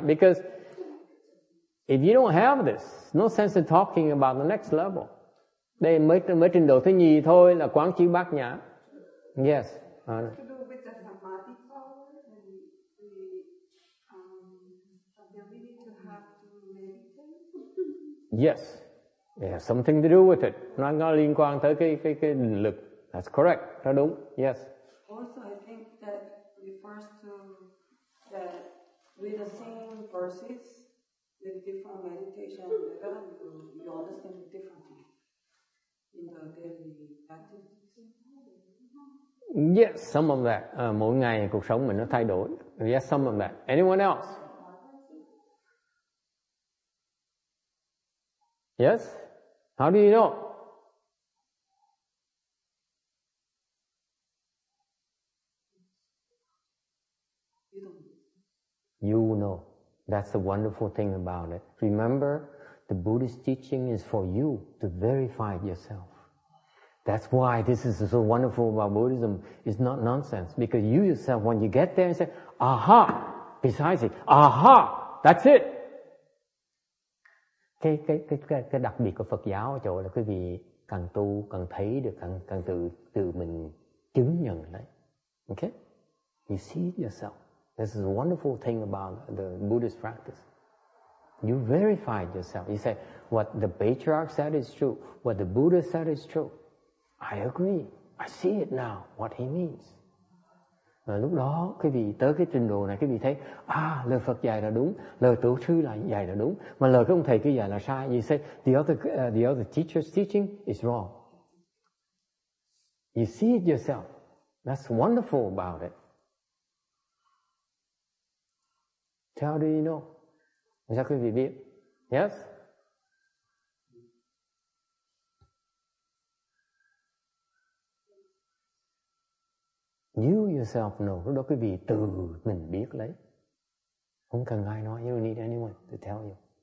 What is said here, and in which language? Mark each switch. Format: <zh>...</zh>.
<en>Because if you don't have this, no sense in talking about the next level.</en> <vi>Đây mới trình độ thứ nhì thôi là quán chiếu Bát Nhã.</vi> <en>Yes. Yes, it has something to do with it.</en> <vi>Nó có liên quan tới cái định lực.</vi> <en>That's correct.</en> <vi>Đó đúng.</vi> <en>Yes. Also, I think that refers to that with the same verses, the different meditation level, you understand it differently in the daily practice. Yes, some of that.</en> <vi>Mỗi ngày cuộc sống mình nó thay đổi.</vi> <en>Yes, some of that. Anyone else? Yes? How do you know? You know. That's the wonderful thing about it. Remember, the Buddhist teaching is for you to verify yourself. That's why this is so wonderful about Buddhism. It's not nonsense. Because you yourself, when you get there and say, aha, precisely, aha, that's it.</en> <vi>Cái đặc biệt của Phật giáo ở chỗ là quý vị càng tu càng thấy được, càng tự mình chứng nhận đấy.</vi> <en>Okay, you see it yourself. This is a wonderful thing about the Buddhist practice. You verify yourself. You say what the patriarch said is true, what the Buddha said is true. I agree. I see it now what he means.</en> <vi>Và lúc đó quý vị tới cái trình độ này, quý vị thấy lời Phật dạy là đúng, lời tổ sư là dạy là đúng, mà lời của ông thầy kia dạy là sai.</vi> <en>You say the other teacher's teaching is wrong. You see it yourself. That's wonderful about it. How do you know?</en> <vi>Sao quý vị biết?</vi> <en>Yes. You yourself know.</en> <vi>Lúc đó quý vị tự mình biết lấy. Không cần ai nói.</vi> <en>You don't need anyone to tell you.</en>